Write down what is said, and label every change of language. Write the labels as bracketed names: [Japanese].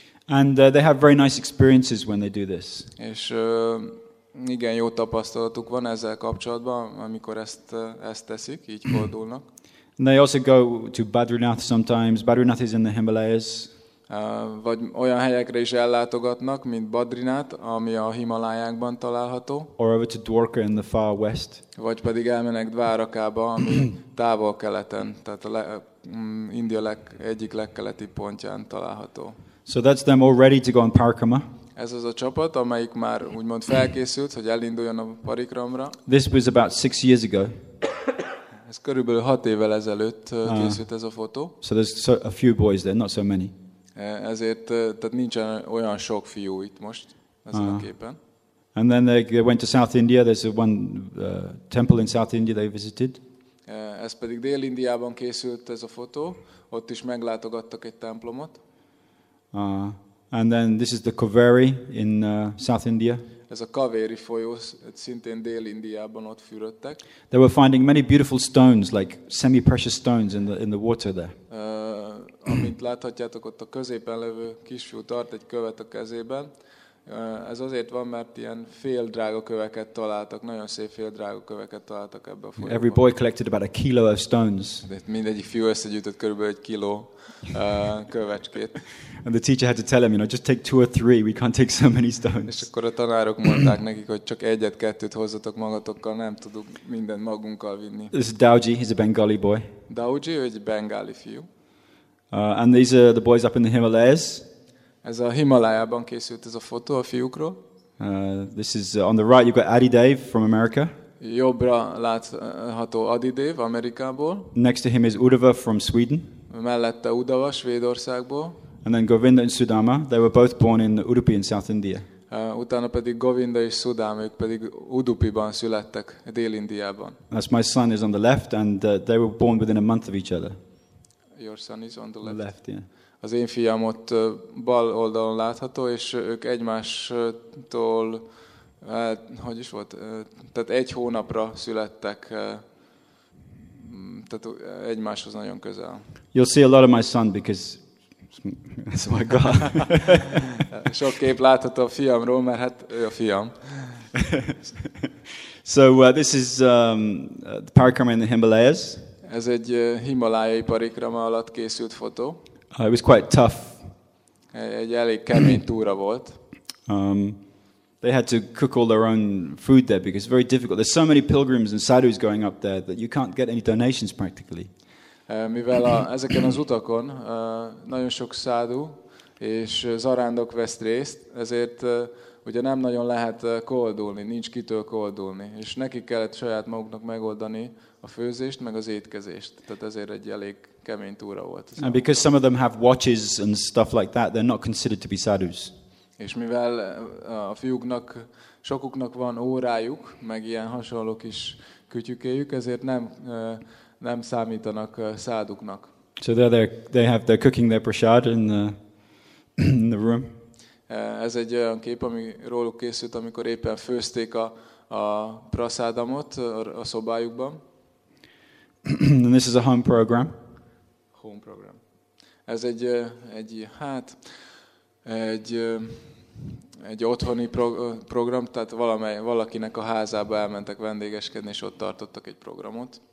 [English] And they have very nice experiences when they do this. [Hungarian] És igen, jó tapasztalatuk van ezzel kapcsolatban, amikor ezt teszik, így koldulnak. [English] And they also go to Badrinath sometimes. Badrinath is in the Himalayas. [Hungarian] Vagy olyan helyekre is ellátogatnak, mint Badrinát, ami a Himalájákban található. [English] Or over to Dwarka in the far west. [Hungarian] Vagy pedig elmenek Dvárakába, ami távol-keleten, tehát India egyik legkeleti pontján található. [English] So that's them all ready to go on parikrama. [Hungarian] Ez az a csapat, amelyik már úgymond felkészült, hogy elinduljon a parikramra. [English] This was about 6 years ago. [Hungarian] Ez körülbelül 6 évvel ezelőtt készült ez a fotó. [English] So there's a few boys there, not so many. [Hungarian] Ezért, tehát nincsen olyan sok fiú itt most ezen a képen. [English] And then they went to South India. There's one temple in South India they visited. [Hungarian] Ez pedig Dél-Indiában készült ez a fotó. Ott is meglátogattak egy templomot. [English] And then this is the Kaveri in South India. [Hungarian] ez a Kaveri folyó szintén Dél-Indiában ott fürödtek. [English] They were finding many beautiful stones, like semi-precious stones in the water there. [Hungarian] Amit láthatjátok, ott a középen levő kisfiú tart egy követ a kezében. Ez azért van, mert ilyen fél drága köveket találtak, nagyon szép fél drága köveket találtak ebbe a folyóban. [English] Every boy collected about a kilo of stones. [Hungarian] Mindegyik fiú összegyűjtött körülbelül egy kiló kövecskét. [English] And the teacher had to tell him, you know, just take two or three, we can't take so many stones. [Hungarian] És akkor a tanárok mondták nekik, hogy csak egyet-kettőt hozzatok magatokkal, nem tudunk mindent magunkkal vinni. [English] This is Dauji, he's a Bengali boy. [Hungarian] Dauji, ő egy bengáli fiú. [English] And these are the boys up in the Himalayas. [Hungarian] Ez a Himalájában készült ez a fotó a fiúkról. [English] This is on the right, you've got Adi Dave from America. [Hungarian] Jobbra látható Adi Dave Amerikából. [English] Next to him is Udava from Sweden. [Hungarian] Mellette Udava Svédországból. [English] And then Govinda and Sudama, they were both born in Udupi in South India. [Hungarian] Utána pedig Govinda és Sudama, ők pedig Udupiban születtek, Dél-Indiában. [English] That's my son is on the left and they were born within a month of each other. Your son is on the left. Left, yeah. [Hungarian] Az én fiam ott bal oldalon látható, és ők egymástól, hogy is volt, tehát egy hónapra születtek, tehát egymáshoz nagyon közel. [English] You'll see a lot of my son, because that's my God. [Hungarian] Sok kép látható a fiamról, mert hát ő a fiam. [English] So this is the parikrama in the Himalayas. [Hungarian] Ez egy himalájai parikrama alatt készült fotó. [English] It was quite tough. [Hungarian] Egy elég kemény túra volt. [English] They had to cook all their own food there because it's very difficult. There's so many pilgrims and sadhus going up there that you can't get any donations practically. [Hungarian] Mivel ezeken az utakon nagyon sok szádú és zarándok vesz részt, ezért ugye nem nagyon lehet koldulni, nincs kitől koldulni. És neki kellett saját maguknak megoldani a főzést, meg az étkezést. Tehát ezért egy elég kemény túra volt. [English] And because some of them have watches and stuff like that, they're not considered to be sadhus. [Hungarian] És mivel a fiúknak, sokuknak van órájuk, meg ilyen hasonló kis kütyükéjük, ezért nem számítanak száduknak. [English] So they're cooking their prasad in the room. [Hungarian] Ez egy olyan kép, ami róluk készült, amikor éppen főzték a prasadamot a szobájukban. [English] And this is a home program. Home program. [Hungarian] Ez egy otthoni program, tehát valakinek a házába elmentek vendégeskedni, és ott tartottak egy programot.